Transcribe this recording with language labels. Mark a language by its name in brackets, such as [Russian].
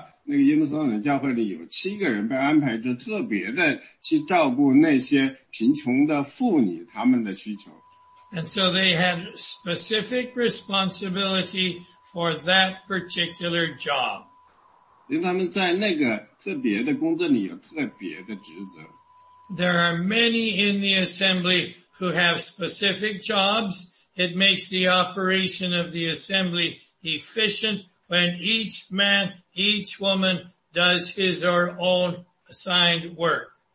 [Chinese] 那个耶路撒冷教会里有七个人被安排着特别的去照顾那些贫穷的妇女他们的需求。 [English] And so they had specific responsibility for that particular job. [Chinese] 因为他们在那个特别的工作里有特别的职责。 [English] There are many in the assembly who have specific jobs. It makes the operation of the assembly efficient when each man, each woman does his or own assigned work.